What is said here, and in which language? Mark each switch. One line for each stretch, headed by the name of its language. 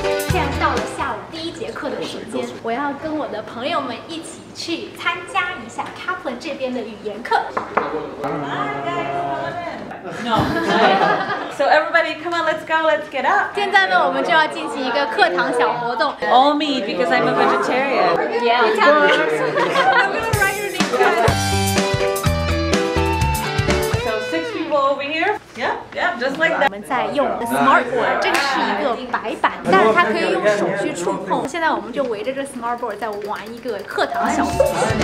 Chinese: 现在到了下午第一节课的时间，我要跟我的朋友们一起去参加一下 Kaplan 这边的语言课。
English: No. So everybody, come on, let's go, let's get up.
Chinese: 现在呢，我们就要进行一个课堂小活动。
English: All me because I'm a vegetarian. Yeah. I'm gonna write your name down. So six people over here. Yeah, just like that.
Chinese: 我们在用 the smart board. 这个是一个白板，但是它可以用手去触碰。现在我们就围着这 smart board 在玩一个课堂小活动。